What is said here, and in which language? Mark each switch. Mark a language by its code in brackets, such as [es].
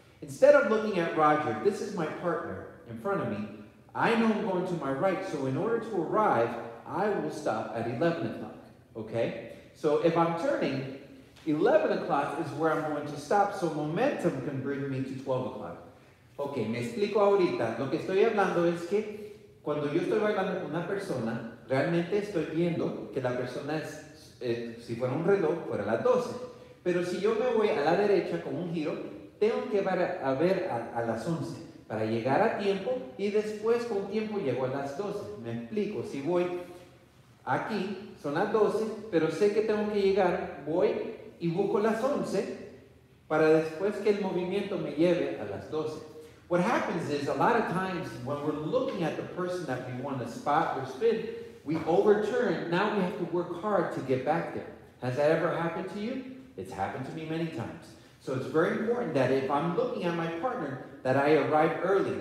[en] Instead of looking at Roger, this is my partner in front of me, I know I'm going to my right, so in order to arrive, I will stop at 11 o'clock, okay? So if I'm turning, 11 o'clock is where I'm going to stop, so momentum can bring me to 12 o'clock. [es] Okay, me explico ahorita. Lo que estoy hablando es que cuando yo estoy bailando con una persona, realmente estoy viendo que la persona es, si fuera un reloj, fuera las 12. Pero si yo me voy a la derecha con un giro, tengo que ver a las 11. Para llegar a tiempo, y después con tiempo llego a las 12. Me explico, si voy aquí, son las 12, pero sé que tengo que llegar, voy y busco las 11, para después que el movimiento me lleve a las 12. [en] What happens is, a lot of times, when we're looking at the person that we want to spot or spin, we overturn, now we have to work hard to get back there. Has that ever happened to you? It's happened to me many times. So it's very important that if I'm looking at my partner, that I arrive early.